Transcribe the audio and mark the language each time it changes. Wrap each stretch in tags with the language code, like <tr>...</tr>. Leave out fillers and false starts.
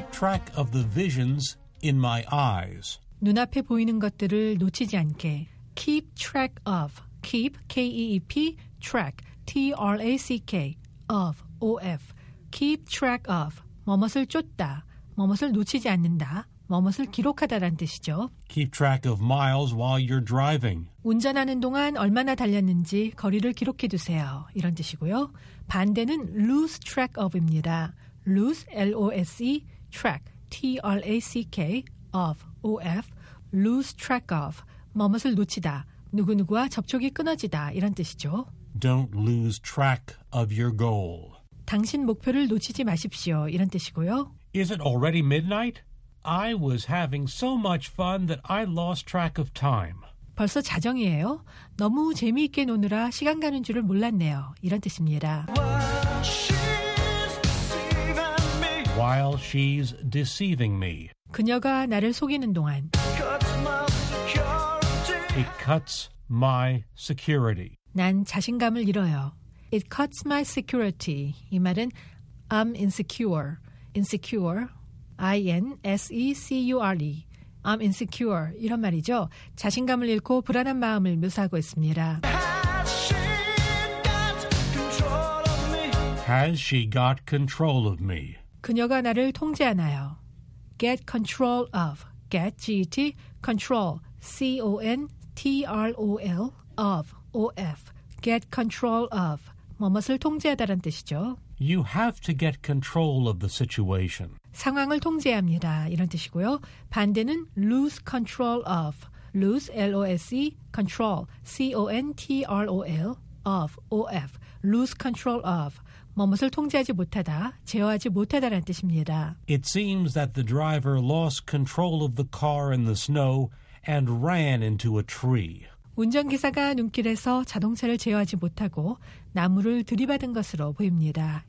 <en>Keep track of the visions in my eyes.</en> <ko>눈앞에 보이는 것들을 놓치지 않게.</ko> <en>Keep track of. Keep, K-E-E-P, track, T-R-A-C-K, of, O-F. Keep track of.</en> <ko>뭐뭇을 쫓다, 뭐뭇을 놓치지 않는다, 뭐뭇을 기록하다란 뜻이죠.</ko> <en>Keep track of miles while you're driving.</en> <ko>운전하는 동안 얼마나 달렸는지 거리를 기록해 두세요. 이런 뜻이고요. 반대는</ko> <en>lose track of</en> <ko>입니다.</ko> <en>Lose, L-O-S-E, track, T-R-A-C-K, of, O-F. Lose track of.</en> <ko>뭐뭇을 놓치다, 누구누구와 접촉이 끊어지다, 이런 뜻이죠.</ko> <en>Don't lose track of your goal.</en> <ko>당신 목표를 놓치지 마십시오. 이런 뜻이고요.</ko> <en>Is it already midnight? I was having so much fun that I lost track of time.</en> <ko>벌써 자정이에요. 너무 재미있게 노느라 시간 가는 줄을 몰랐네요. 이런 뜻입니다.</ko> <en>While she's deceiving me.</en> <ko>그녀가 나를 속이는 동안.</ko> <en>It cuts my security.</en> <ko>난 자신감을 잃어요.</ko> <en>It cuts my security.</en> <ko>이 말은</ko> <en>I'm insecure. Insecure. I-N-S-E-C-U-R-E. I'm insecure.</en> <ko>이런 말이죠. 자신감을 잃고 불안한 마음을 묘사하고 있습니다.</ko> <en>Has she got control of me?</en> <ko>그녀가 나를 통제하나요?</ko> <en>Get control of. Get, G-E-T, control. C-O-N-T-R-O-L, of, O-F. Get control of.</en> <ko>뭐뭇을 통제하다란 뜻이죠.</ko> <en>You have to get control of the situation.</en> <ko>상황을 통제합니다. 이런 뜻이고요. 반대는</ko> <en>lose control of. Lose, L-O-S-E, control. C-O-N-T-R-O-L, of, O-F. Lose control of.</en> <ko>뭐뭇을 통제하지 못하다, 제어하지 못하다란 뜻입니다.</ko> <en>It seems that the driver lost control of the car in the snow and ran into a tree.</en> <ko>운전기사가 눈길에서 자동차를 제어하지 못하고 나무를 들이받은 것으로 보입니다.</ko>